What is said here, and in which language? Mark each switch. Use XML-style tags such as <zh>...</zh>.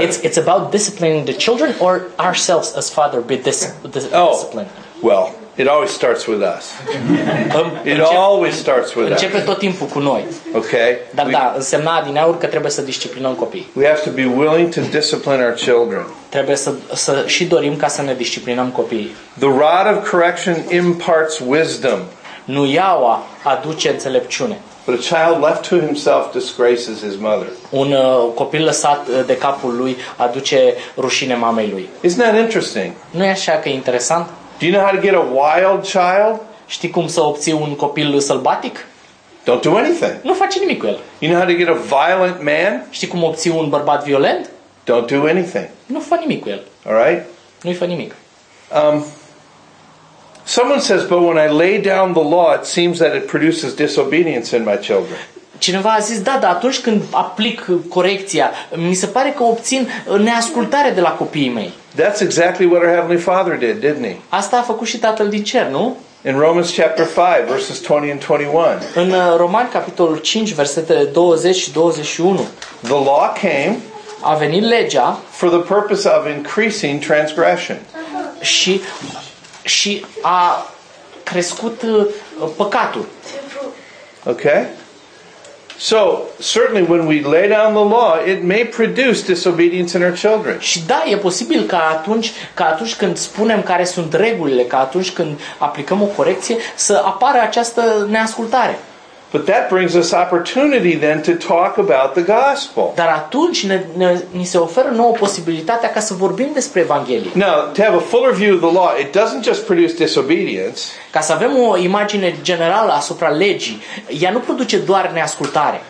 <en>It's about disciplining the children or ourselves as father be discipline. Oh. Well, it always starts with us. It always starts with us.</en> <ro>Începe tot timpul cu noi.</ro> <en>Okay.</en> <ro>Dar da, însemna adineauri că trebuie să disciplinăm copiii.</ro> <en>We have to be willing to discipline our children.</en> <ro>Trebuie să și dorim ca să ne disciplinăm copiii.</ro> <en>The rod of correction imparts wisdom.</en> <ro>Nuiaua aduce înțelepciune.</ro> <en>But a child left to himself disgraces his mother.</en> <ro>Un copil lăsat de capul lui aduce rușine mamei lui.</ro> <en>Isn't that interesting?</en> <ro>Nu e așa că e interesant?</ro> <en>Do you know how to get a wild child?</en> <ro>Știi cum să obții un copil sălbatic?</ro> <en>Don't do anything.</en> <ro>Nu faci nimic cu el.</ro> <en>You know how to get a violent man?</en> <ro>Știi cum obții un bărbat violent?</ro> <en>Don't do anything.</en> <ro>Nu faci nimic cu el.</ro> <en>All right?</en> <ro>Nu-i faci nimic.</ro> <en>Someone says, but when I lay down the law, it seems that it produces disobedience in my children.</en> <ro>Cineva a zis, da, atunci când aplic corecția, mi se pare că obțin neascultare de la copiii mei.</ro> <en>That's exactly what our Heavenly Father did, didn't he?</en> <ro>Asta a făcut și Tatăl din Cer, nu?</ro> <en>In Romans chapter 5, verses 20 and 21.</en> <ro>În Romani capitolul 5, versetele 20 și 21.</ro> <en>The law came,</en> <ro>a venit legea,</ro> <en>for the purpose of increasing transgression.</en> <ro>Și a crescut păcatul.</ro> <en>Okay? So, certainly when we lay down the law, it may produce disobedience in our children.</en> <ro>Și da, e posibil că atunci când spunem care sunt regulile, că atunci când aplicăm o corecție, să apară această neascultare.</ro> <en>But that brings us opportunity then to talk about the gospel.</en> <ro>Dar atunci ni se oferă nouă posibilitatea ca să vorbim despre evanghelie.</ro> <en>Now, to have a fuller view of the law, it doesn't just produce disobedience.</en> <ro>Ca să avem o imagine generală asupra legii, ea nu produce doar neascultare.</ro>